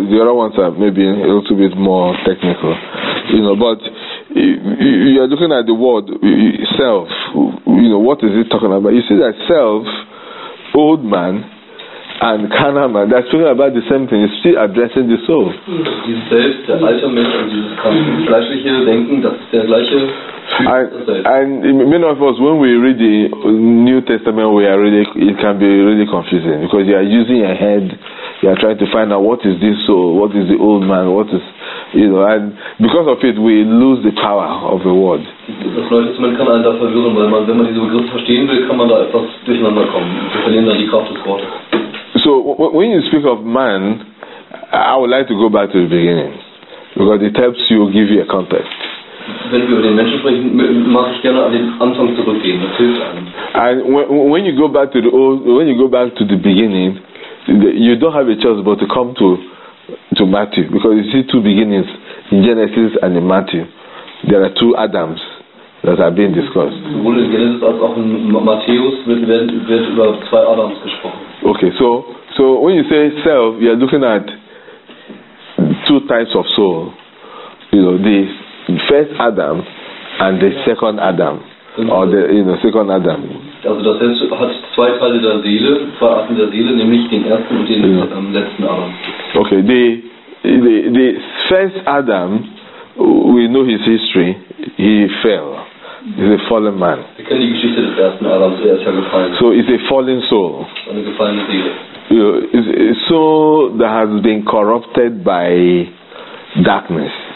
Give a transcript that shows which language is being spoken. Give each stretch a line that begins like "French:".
English: The other ones are maybe a little bit more technical, you know. But you are looking at the word self. You know, what is it talking about? You see that self, old man, and carnal man. That's talking about the same thing. It's still addressing the soul.
German: Dieses selbst, der alte Mensch und dieses fleischliche Denken, das ist der gleiche.
English: And many of us, when we read the New Testament, it can be really confusing because you are using your head, you are trying to find out what is this soul, what is the old man, what is, you know, and because of it, we lose the power of the word.
German: Das Neue Testament kann einen da verwirren, weil man, wenn man diese Begriffe verstehen will, kann man da etwas durcheinander kommen. Wir verlieren dann die Kraft des Wortes.
English: So when you speak of man, I would like to go back to the beginning because it helps you give you a context.
German: Wenn wir über den Menschen sprechen, mag ich gerne an den Anfang zurückgehen. Das hilft einem.
English: And when you go back to the old, when you go back to the beginning, you don't have a choice but to come to Matthew, because you see two beginnings in Genesis and in Matthew. There are two Adams that are being discussed.
German: Sowohl in Genesis als auch in Matthäus wird über zwei Adams gesprochen.
English: Okay, so when you say self, you are looking at two types of soul. You know, the first Adam and the second Adam, or the, you know, second Adam.
German: Also das hat zwei Teile der Seele, zwei Arten der Seele, nämlich den ersten und den letzten Adam.
English: Okay, the first Adam, we know his history. He fell. He's a fallen man.
German: Wir kennen die Geschichte des ersten Adams. Er ist ja gefallen.
English: So he's a fallen soul.
German: Eine gefallene Seele.
English: You know, it's a soul that has been corrupted by darkness.